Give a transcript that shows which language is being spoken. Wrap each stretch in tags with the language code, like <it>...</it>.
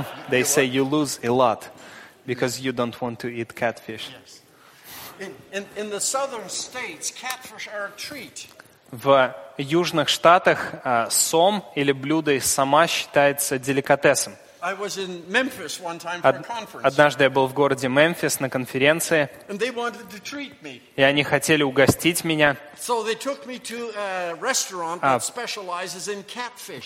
<en>They say you lose a lot because you don't want to eat catfish. Yes. In the southern states, catfish are a treat.</en> <ru>В южных штатах сом или блюдо из сома считается деликатесом.</ru> <en>I was in Memphis one time for a conference.</en> <ru>Однажды я был в городе Мемфис на конференции.</ru> <en>And they wanted to treat me.</en> <ru>И они хотели угостить меня.</ru> <en>So they took me to a restaurant that specializes in catfish.</en>